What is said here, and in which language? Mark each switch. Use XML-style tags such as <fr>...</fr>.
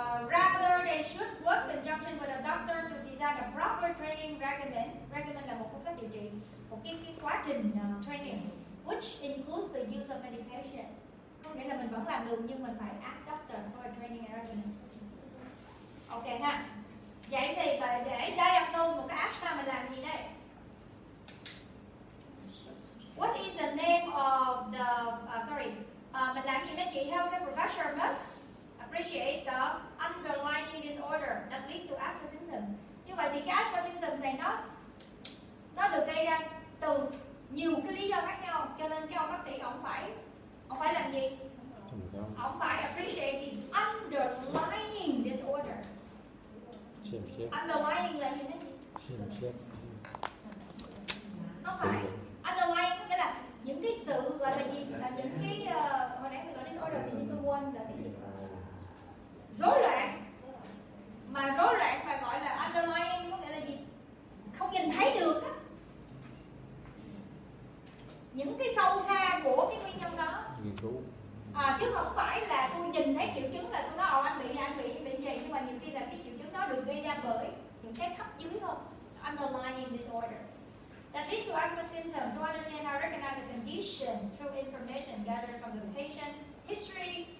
<en>Rather they should work in conjunction with a doctor to design a proper training regimen.</en> <vi>Regimen là một phương pháp điều trị, một cái quá trình</vi> <en>training which includes the use of medication.</en> <vi>Có nghĩa là mình vẫn làm được nhưng mình phải</vi> <en>ask doctor for a training regimen.</en> <vi>Ok ha. Vậy thì để diagnose một cái asthma mình làm gì đây?</vi> <en>What is the name of the</en> <vi>mình làm gì mấy chị?</vi> <en>Healthcare professional must appreciate the underlying disorder that leads to asthma symptom.</en> <vi>Như vậy thì cái asthma symptoms này nó được gây ra từ nhiều cái lý do khác nhau, cho nên cái ông bác sĩ ông phải làm gì? Ông phải</vi> <en>appreciate the underlying disorder.</en> <vi>Underlying là gì mấy chị? Không phải. Underlying nghĩa là những cái sự gọi là gì? Là những cái hồi nãy mình nói disorder thì tôi quên là tiếng Việt. Rối loạn mà gọi là underlying có nghĩa là gì? Không nhìn thấy được á. Những cái sâu xa của cái nguyên nhân đó. Nghiên cứu. Chứ không phải là tôi nhìn thấy triệu chứng là tôi nói anh bị gì, nhưng mà nhiều khi là cái triệu chứng đó được gây ra bởi những cái thấp dưới thôi.</vi> <en>Underlying disorder. That leads to asthma symptoms. To understand how to recognize a condition through information gathered from the patient history.</en>